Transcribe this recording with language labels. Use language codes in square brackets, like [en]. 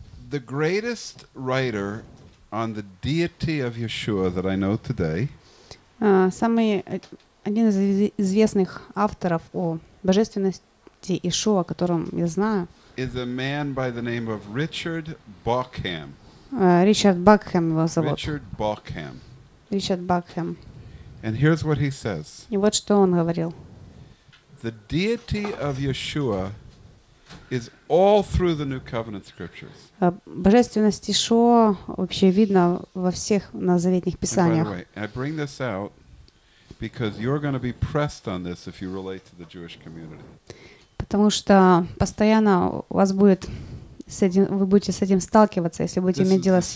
[en] the greatest writer on the deity of Yeshua that I know today. [ru] Самый один из известных авторов о божественности Иешуа, о котором я знаю. [en] Is a man by the name of Richard Bauckham. [ru] Richard Bauckham его зовут. Richard Bauckham. Richard Bauckham. [en] And here's what he says. [ru] И вот что он говорил. [en] The deity of Yeshua is all through the New Covenant Scriptures. [ru] Божественность Иешуа вообще видно во всех новозаветных писаниях. [en] By the way, I bring this out because you're going to be pressed on this if you relate to the Jewish community. [ru] Потому что постоянно у вас будет с этим, вы будете с этим сталкиваться, если будете иметь дело с